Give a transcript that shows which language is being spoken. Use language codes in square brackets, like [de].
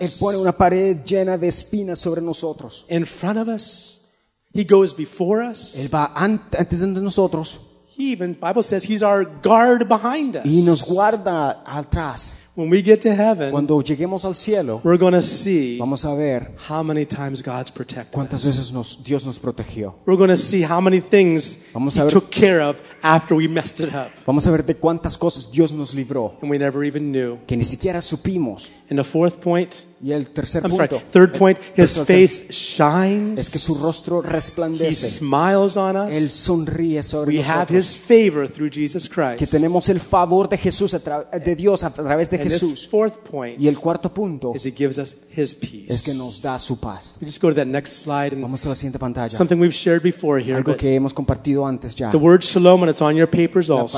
[es] Él pone una pared llena de espinas sobre nosotros. [en] In front of us, he goes before us. [es] Él va antes de nosotros. [en] He even, Bible says, he's our guard behind us. [es] Y nos guarda atrás. [en] When we get to heaven, [es] cuando lleguemos al cielo, [en] we're going to see [es] vamos a ver [en] how many times God's protected [es] cuántas veces nos, Dios nos protegió. [en] We're going to see how many things [es] vamos [en] he [es] ver, [en] took care of after we messed it up. [es] Vamos a ver de cuántas cosas Dios nos libró [en] and we never even knew. [es] Que ni siquiera supimos. [en] And the fourth point, [es] y el tercer [en] I'm [es] punto, [en] sorry, third point, his face shines. [es] Es que su rostro resplandece. [en] He smiles on us. [es] Él sonríe sobre [en] we [es] nosotros. [en] Have his favor through Jesus Christ. [es] Que tenemos el favor de Jesús de Dios a través de Jesús. [en] Fourth point [es] y el cuarto punto [en] is he gives us his peace. [es] Es que nos da su paz. [en] We just go to that next slide and [es] vamos a la siguiente pantalla. [en] Something we've shared before here, [es] algo que hemos compartido antes ya. [en] The word shalom and it's on your papers also.